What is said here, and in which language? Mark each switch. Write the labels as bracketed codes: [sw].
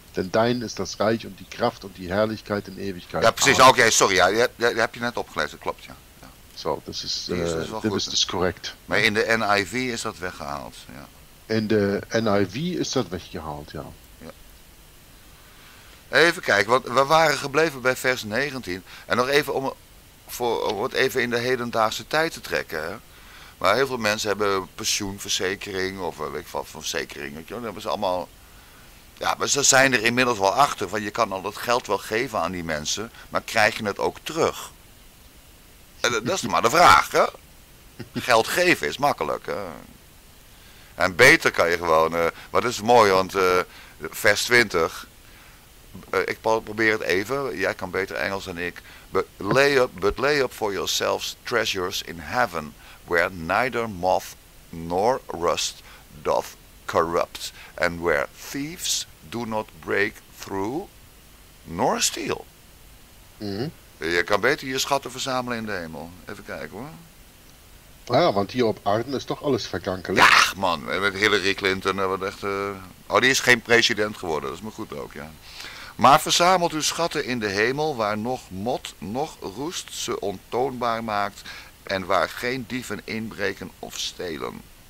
[de] Denn dein is das Reich und die Kraft und die Herrlichkeit in Ewigkeit. [nl] Ja, precies. Oké, okay, sorry. Ja, die heb je net opgelezen. Klopt, ja. Zo, ja. Dit is correct. Maar in de NIV is dat weggehaald, ja. In de NIV is dat weggehaald, ja. Ja. Even kijken, want we waren gebleven bij vers 19. En nog even om het even in de hedendaagse tijd te trekken. Hè. Maar heel veel mensen hebben pensioenverzekering of weet ik wat, verzekering. Dat hebben ze allemaal... Ja, maar ze zijn er inmiddels wel achter. Van je kan al dat geld wel geven aan die mensen, maar krijg je het ook terug? En dat is maar de vraag, hè? Geld geven is makkelijk, hè? En beter kan je gewoon... Wat is mooi, want vers 20... ik probeer het even. Jij kan beter Engels dan ik. [en] But lay up for yourselves treasures in heaven, where neither moth nor rust doth corrupt, and where thieves do not break through nor steal. [nl] Je kan beter je schatten verzamelen in de hemel. Even kijken, hoor. Nou ja, want hier op aarde is toch alles vergankelijk. Ja, man, met Hillary Clinton hebben we echt... Oh, die is geen president geworden, dat is maar goed ook, ja. Maar verzamelt uw schatten in de hemel, waar nog mot, nog roest ze ontoonbaar maakt, en waar geen dieven inbreken of stelen.